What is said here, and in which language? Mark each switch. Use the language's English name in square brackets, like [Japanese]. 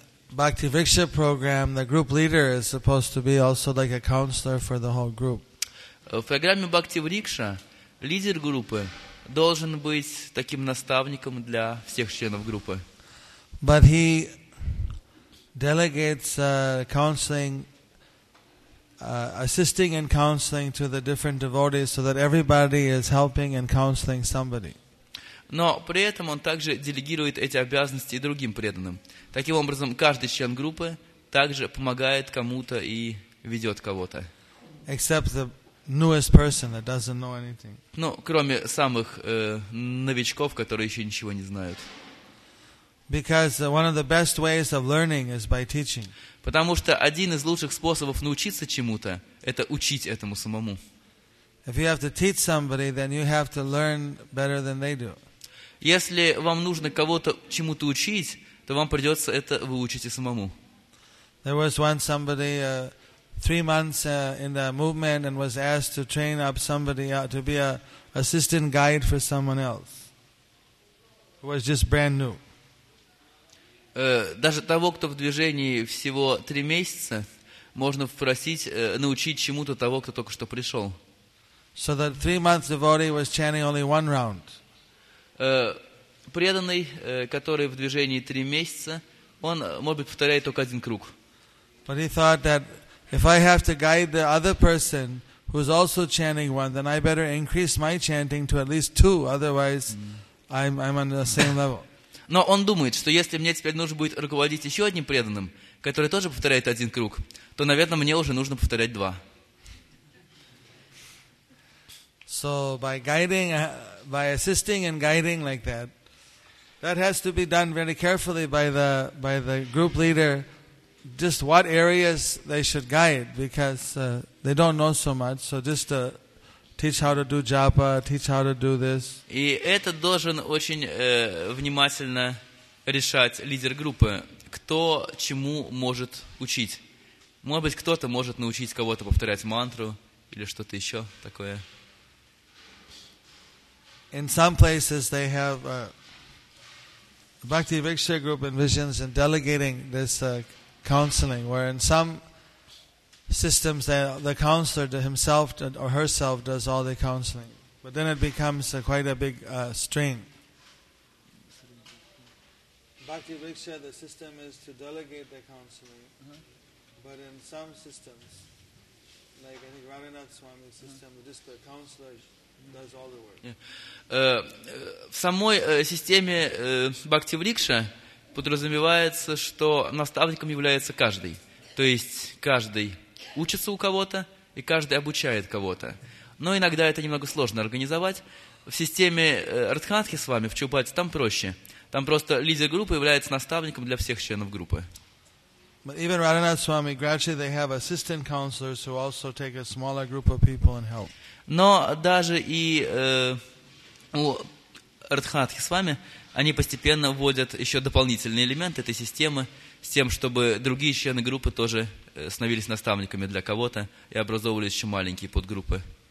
[English] Bhakti Viksha program, the group leader is supposed to be also like a counselor for the whole group. [Russian] В программе Bhakti Viksha лидер группы должен быть таким наставником для всех членов группы. [English] But he delegates counseling, assisting in counseling to the different devotees so that everybody is helping and counseling somebody. [Russian] Но при этом он также делегирует эти обязанности и другим преданным. Таким образом, каждый член группы также помогает кому-то и ведет кого-то. [English] Except the newest person that doesn't know anything. [Russian] Ну, кроме самых новичков, которые еще ничего не знают. [English] Because one of the best ways of learning is by teaching. [Russian] Потому что один из лучших способов научиться чему-то – это учить этому самому. [English] If you have to teach somebody, then you have to learn better than they do. [Russian] Если вам нужно кого-то чему-то учить, то вам придется это выучить и самому. [English] There was once somebody 3 months in the movement and was asked to train up somebody to be an assistant guide for someone else. It was just brand new. [Russian] Даже того, кто в движении всего 3 месяца, можно попросить научить чему-то того, кто только что пришел. [English] So the 3 month devotee was chanting only one round. [Russian] Преданный, который в движении 3 месяца, он, может быть, повторяет только один круг. [English] But he thought that if I have to guide the other person who's also chanting one, then I better increase my chanting to at least 2, otherwise I'm on the same level. [Russian] Но он думает, что если мне теперь нужно будет руководить еще одним преданным, который тоже повторяет один круг, то, наверное, мне уже нужно повторять 2. [English] So by guiding, by assisting and guiding like that, that has to be done very carefully by the group leader, just what areas they should guide, because they don't know so much, so just to teach how to do japa, teach how to do this. [Russian] И это должен очень внимательно решать лидер группы, кто чему может учить. Может быть, кто-то может научить кого-то повторять мантру или что-то еще такое. [English] In some places they have a Bhakti Viksha group envisions in delegating this counseling, where in some systems the counselor himself or herself does all the counseling. But then it becomes quite a big strain. Bhakti Viksha, the system is to delegate the counseling, but in some systems, like I think Radhanath Swami's system, just the counselor does all the work. [Russian] В самой системе Бхакти Врикша подразумевается, что наставником является каждый. То есть каждый учится у кого-то, и каждый обучает кого-то. Но иногда это немного сложно организовать. В системе Радханатхи с вами, в Чубате, там проще. Там просто лидер группы является наставником для всех членов группы. [English] But even Radhanath Swami, gradually they have assistant counselors who also take a smaller group of people and help. [Russian] Но даже и у Радханатхи с вами, они постепенно вводят еще дополнительные элементы этой системы с тем, чтобы другие члены группы тоже становились наставниками для кого-то и образовывались еще маленькие подгруппы.